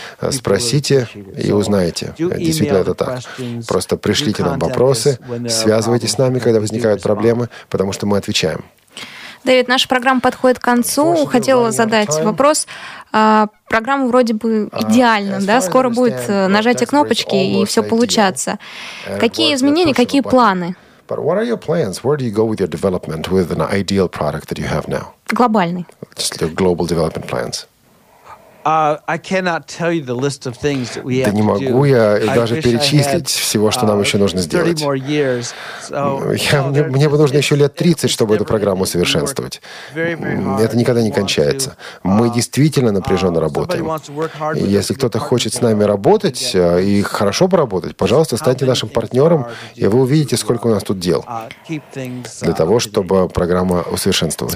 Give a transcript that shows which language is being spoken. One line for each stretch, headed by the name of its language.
Russian: Спросите и узнаете. Действительно, это так. Просто пришлите нам вопросы, связывайтесь с нами, когда возникают проблемы, потому что мы отвечаем. Дэвид, наша программа подходит к концу. Хотела задать вопрос. Программа вроде бы идеальна, да? Скоро будет нажатие кнопочки, и все получаться. Какие изменения, какие планы?
English: But what are your plans? Where do you go with your development with an ideal product that you have now?
Russian: Глобальный.
English: Just your global development plans. I cannot tell you the list of things that we have to do.
Russian: Да не могу я даже перечислить всего, что нам еще нужно сделать.
English: More years. So,
Russian: мне бы нужно еще лет 30, чтобы эту программу совершенствовать. Это никогда не кончается. Мы действительно напряженно работаем. Если кто-то хочет с нами работать и хорошо поработать, пожалуйста, станьте нашим партнером, и вы увидите, сколько у нас тут дел для того, чтобы программа усовершенствовалась.